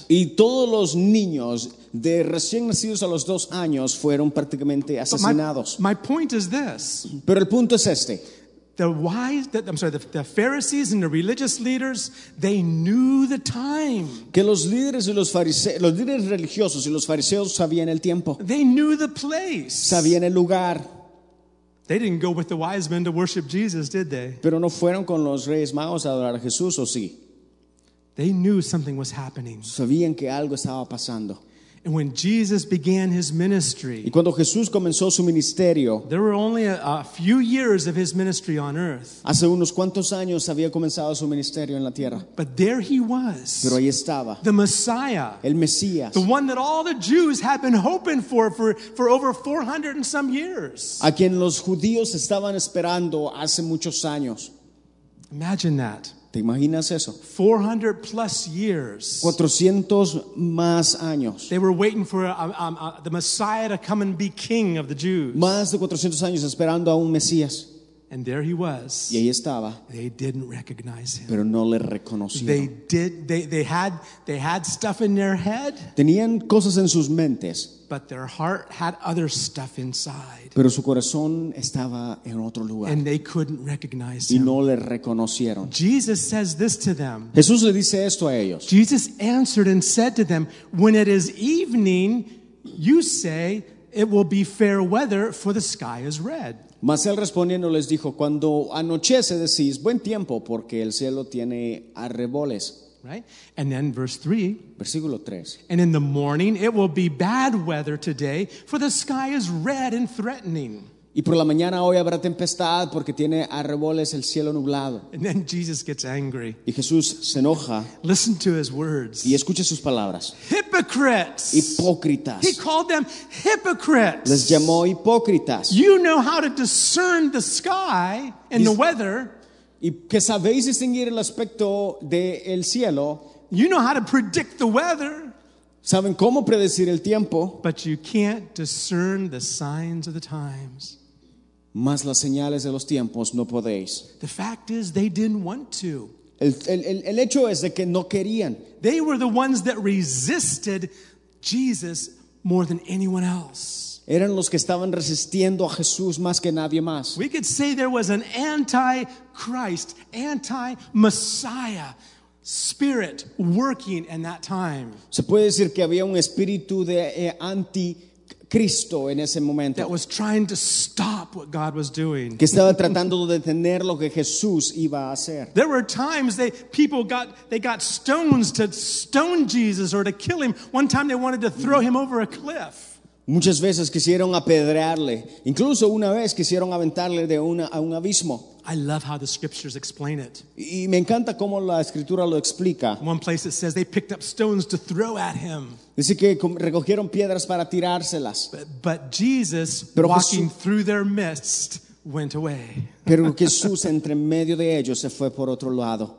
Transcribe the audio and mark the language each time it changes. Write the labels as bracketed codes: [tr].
[es] Y todos los niños de recién nacidos a los 2 años fueron prácticamente asesinados. [en] My point is this. [es] Pero el punto es este. [en] The Pharisees and the religious leaders, they knew the time. [es] Que los líderes y los fariseos, los líderes religiosos y los fariseos sabían el tiempo. [en] They knew the place. [es] Sabían el lugar. [en] They didn't go with the wise men to worship Jesus, did they? [es] Pero no fueron con los reyes magos a adorar a Jesús, ¿o sí? [en] They knew something was happening. [es] Sabían que algo estaba pasando. [en] And when Jesus began his ministry, [es] y cuando Jesús comenzó su ministerio, [en] there were only a few years of his ministry on earth. [es] Hace unos cuantos años había comenzado su ministerio en la tierra. [en] But there he was. [es] Pero ahí estaba. [en] The Messiah. [es] El Mesías. [en] The one that all the Jews had been hoping for over 400 and some years. [es] A quien los judíos estaban esperando hace muchos años. [en] Imagine that. [es] ¿Te imaginas eso? [en] 400 plus years. [es] 400 más años. [en] They were waiting for the Messiah to come and be king of the Jews. [es] Más de 400 años esperando a un Mesías. [en] And there he was. [es] Y ahí estaba. [en] They didn't recognize him. [es] Pero no le reconocieron. [en] They did. They had stuff in their head. [es] Tenían cosas en sus mentes. [en] But their heart had other stuff inside. [es] Pero su corazón estaba en otro lugar. [en] And they couldn't recognize him. [es] Y no le reconocieron. [en] Jesus says this to them. [es] Jesús le dice esto a ellos. [en] Jesus answered and said to them, "When it is evening, you say it will be fair weather, for the sky is red." [es] Mas él respondiendo les dijo, "Cuando anochece decís buen tiempo, porque el cielo tiene arreboles." [en] Right? And then verse 3. [es] Versículo 3. [en] "And in the morning it will be bad weather today, for the sky is red and threatening." [es] Y por la mañana hoy habrá tempestad porque tiene arreboles el cielo nublado. [en] And then Jesus gets angry. [es] Y Jesús se enoja. [en] Listen to his words. [es] Y escucha sus palabras. [en] "Hypocrites." [es] Hipócritas. [en] He called them hypocrites. [es] Les llamó hipócritas. [en] "You know how to discern the sky and the weather." [es] Y que sabéis distinguir el aspecto del cielo. [en] "You know how to predict the weather." [es] Saben cómo predecir el tiempo. [en] "But you can't discern the signs of the times." [es] Mas las señales de los tiempos no podéis. [en] The fact is, they didn't want to. [es] El hecho es de que no querían. [en] They were the ones that resisted Jesus more than anyone else. [es] Eran los que estaban resistiendo a Jesús más que nadie más. [en] We could say there was an anti-Christ, anti-Messiah spirit working in that time. [es] Se puede decir que había un espíritu de anticristo en ese momento. [en] That was trying to stop what God was doing. [es] Que estaba tratando de detener lo que Jesús iba a hacer. [en] There were times that people got stones to stone Jesus or to kill him. One time they wanted to throw him over a cliff. [es] Muchas veces quisieron apedrearle. Incluso una vez quisieron aventarle de un abismo. [en] I love how the scriptures explain it. [es] Y me encanta cómo la escritura lo explica. [en] One place it says they picked up stones to throw at him. [es] Dice que recogieron piedras para tirárselas. [en] But Jesus, [es] pero [en] walking Jesús, through their midst, went away. [es] Pero Jesús entre medio de ellos se fue por otro lado.